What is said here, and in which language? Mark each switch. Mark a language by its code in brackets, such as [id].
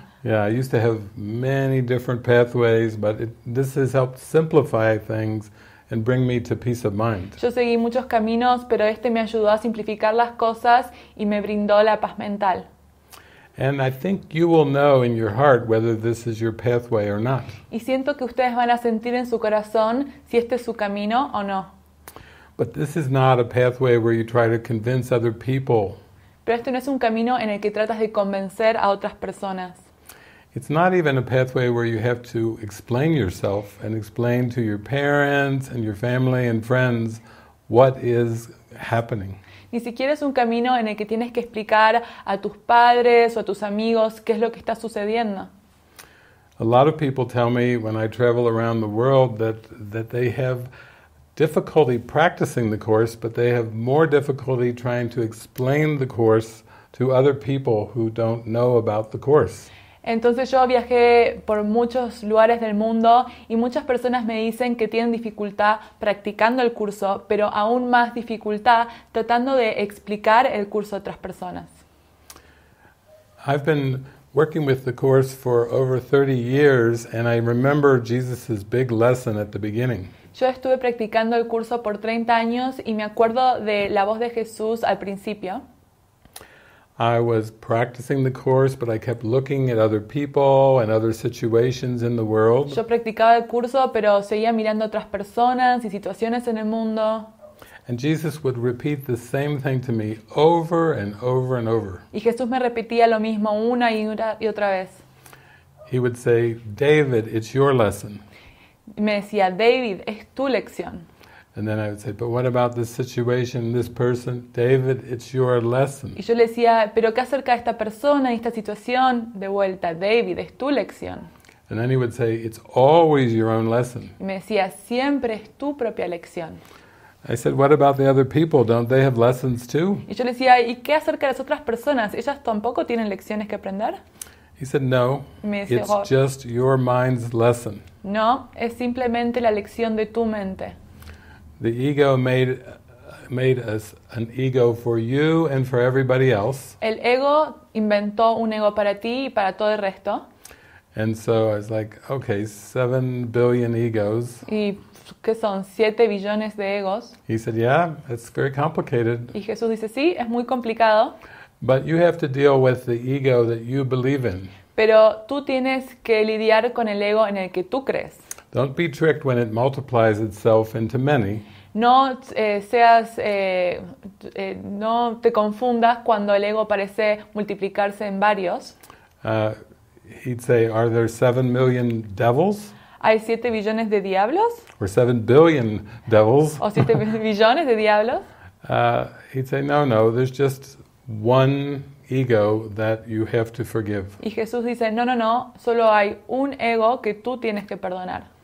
[en] Yeah, I used to have many different pathways, but this has helped simplify things and bring me to peace of mind. [es] Yo seguí muchos caminos, pero este me ayudó a simplificar las cosas y me brindó la paz mental. [en] And I think you will know in your heart whether this is your pathway or not. [es] Y siento que ustedes van a sentir en su corazón si este es su camino o no. [en] But this is not a pathway where you try to convince other people. [es] Pero este no es un camino en el que tratas de convencer a otras personas. [en] It's not even a pathway where you have to explain yourself and explain to your parents and your family and friends what is happening. [es] Ni siquiera es un camino en el que tienes que explicar a tus padres o a tus amigos qué es lo que está sucediendo. [en] A lot of people tell me when I travel around the world that they have difficulty practicing the course, but they have more difficulty trying to explain the course to other people who don't know about the course. [es] Entonces yo viajé por muchos lugares del mundo y muchas personas me dicen que tienen dificultad practicando el curso, pero aún más dificultad tratando de explicar el curso a otras personas. [en] I've been working with the course for over 30 years and I remember Jesus's big lesson at the beginning. [es] Yo estuve practicando el curso por 30 años y me acuerdo de la voz de Jesús al principio. [en] I was practicing the course, but I kept looking at other people and other situations in the world. [es] Yo practicaba el curso, pero seguía mirando otras personas y situaciones en el mundo. [en] And Jesus would repeat the same thing to me over and over and over. [es] Y Jesús me repetía lo mismo una y otra vez. [en] He would say, David, it's your lesson. [es] Me decía, David, es tu lección. [en] And then I would say, but what about this situation, this person? David, it's your lesson. [es] Y yo le decía, pero ¿qué acerca de esta persona y esta situación? De vuelta, David, es tu lección. [en] And then he would say, it's always your own lesson. [es] Y me decía, siempre es tu propia lección. [en] I said, what about the other people? Don't they have lessons too? [es] Y yo le decía, ¿y qué acerca de las otras personas? ¿Ellas tampoco tienen lecciones que aprender? [en] He said, no, it's just your mind's lesson. [es] No, es simplemente la lección de tu mente. [en] The ego made us an ego for you and for everybody else. [es] El ego inventó un ego para ti y para todo el resto. [en] And so I was like, okay, 7 billion egos. [es] Y que son 7 billones de egos. [en] He said, yeah, it's very complicated. [es] Y Jesús dice, sí, es muy complicado. [en] But you have to deal with the ego that you believe in. [es] Pero tú tienes que lidiar con el ego en el que tú crees. [en] Don't be tricked when it multiplies itself into many. [es] No seas no te confundas cuando el ego parece multiplicarse en varios. [en] He'd say, are there 7 million devils? [es] ¿Hay 7 billones de diablos? [en] Or 7 billion devils? [es] ¿O 7 billones de diablos? [en] He'd say, no, there's just one ego that you have to forgive. [es] Y Jesús dice, no, solo hay un ego que tú tienes que perdonar.